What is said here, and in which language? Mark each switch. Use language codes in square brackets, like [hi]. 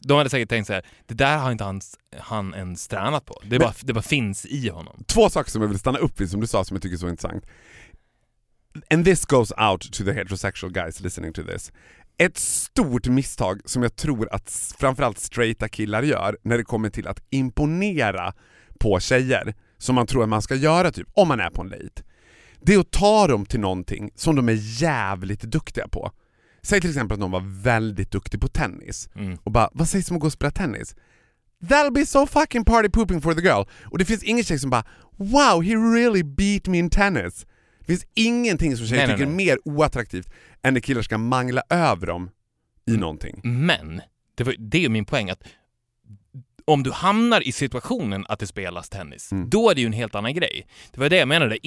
[sv] De hade säkert tänkt så här, det där har inte han ens tränat på. Det bara finns i honom. Två saker som jag vill stanna upp vid, som du sa, som jag tycker är så intressant. [en] And this goes out to the heterosexual guys listening to this. [sv] Ett stort misstag som jag tror att framförallt straighta killar gör när det kommer till att imponera på tjejer, som man tror att man ska göra typ om man är på en dejt. Det är att ta dem till någonting som de är jävligt duktiga på. Säg till exempel att någon var väldigt duktig på tennis. Mm. Och bara, vad sägs om att gå och spela tennis? [en] That'll be so fucking party pooping for the girl. [sv] Och det finns ingen tjej som bara, [en] wow, he really beat me in tennis. [sv] Det finns ingenting som tjejer tycker mer oattraktivt än när killar ska mangla över dem i någonting. Men, det är ju min poäng, att om du hamnar i situationen att det spelas tennis, då är det ju en helt annan grej. Det var det jag menade.